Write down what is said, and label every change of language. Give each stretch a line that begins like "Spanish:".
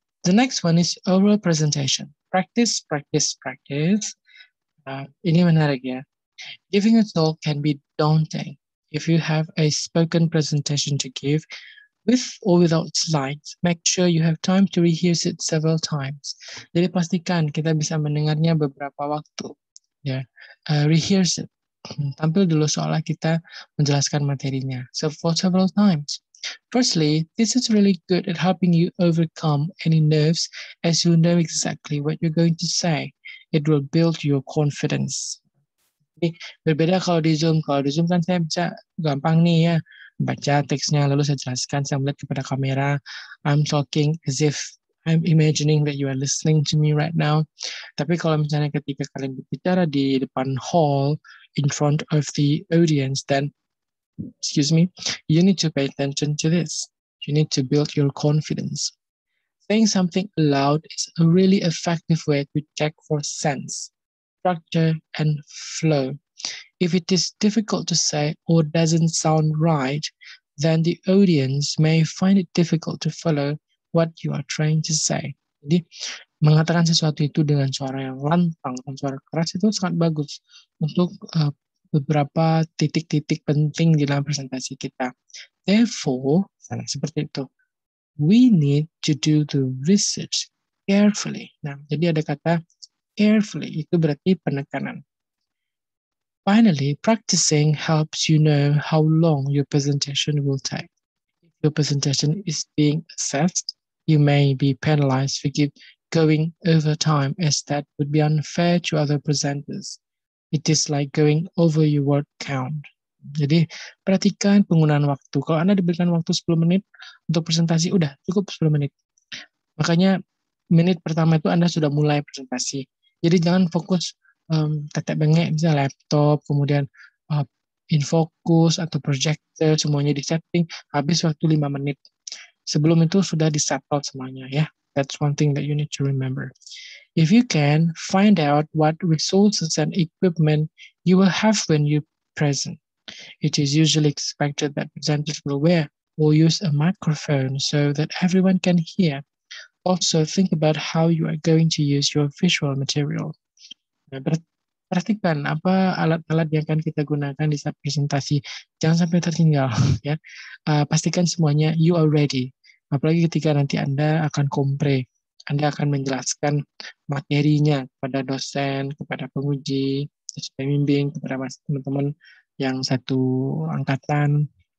English: The next one is oral presentation. Practice, practice, practice.
Indonesian: Ini menarik ya.
English: Giving a talk can be daunting. If you have a spoken presentation to give, with or without slides, make sure you have time to rehearse it several times.
Indonesian: Jadi pastikan kita bisa mendengarnya beberapa waktu.
English: Yeah. Rehearse it.
Indonesian: Tampil dulu seolah kita menjelaskan materinya.
English: So for several times. Firstly, this is really good at helping you overcome any nerves as you know exactly what you're going to say. It will build your confidence.
Indonesian: Jadi, berbeda kalau di Zoom. Kalau di Zoom kan saya bisa gampang nih ya. Baca teksnya, lalu saya jelaskan, saya melihat kepada kamera.
English: I'm talking as if I'm imagining that you are listening to me right now.
Indonesian: Tapi kalau misalnya ketika kalian berbicara di depan hall,
English: in front of the audience, then, excuse me, you need to pay attention to this. You need to build your confidence. Saying something aloud is a really effective way to check for sense, structure, and flow. If it is difficult to say or doesn't sound right, then the audience may find it difficult to follow what you are trying to say.
Indonesian: Jadi, mengatakan sesuatu itu dengan suara yang lantang, dengan suara keras itu sangat bagus untuk beberapa titik-titik penting di dalam presentasi kita.
English: Therefore,
Indonesian: seperti itu,
English: we need to do the research carefully.
Indonesian: Nah, jadi ada kata carefully, itu berarti penekanan.
English: Finally, practicing helps you know how long your presentation will take. If your presentation is being assessed, you may be penalized for going over time as that would be unfair to other presenters. It is like going over your word count.
Indonesian: Jadi, perhatikan penggunaan waktu. Kalau Anda diberikan waktu 10 menit untuk presentasi, udah, cukup 10 menit. Makanya, menit pertama itu Anda sudah mulai presentasi. Jadi, jangan fokus tetek bengek, misalnya laptop, kemudian infocus atau projector, semuanya disetting, habis waktu 5 menit. Sebelum itu sudah disetel semuanya, ya.
English: That's one thing that you need to remember. If you can, find out what resources and equipment you will have when you present. It is usually expected that presenters will wear or use a microphone so that everyone can hear. Also, think about how you are going to use your visual material.
Indonesian: Nah, perhatikan apa alat-alat yang akan kita gunakan di saat presentasi. Jangan sampai tertinggal. Ya. Pastikan semuanya
English: you are ready.
Indonesian: Apalagi ketika nanti Anda akan kompre. Anda akan menjelaskan materinya kepada dosen, kepada penguji, kepada pembimbing, kepada teman-teman yang satu angkatan.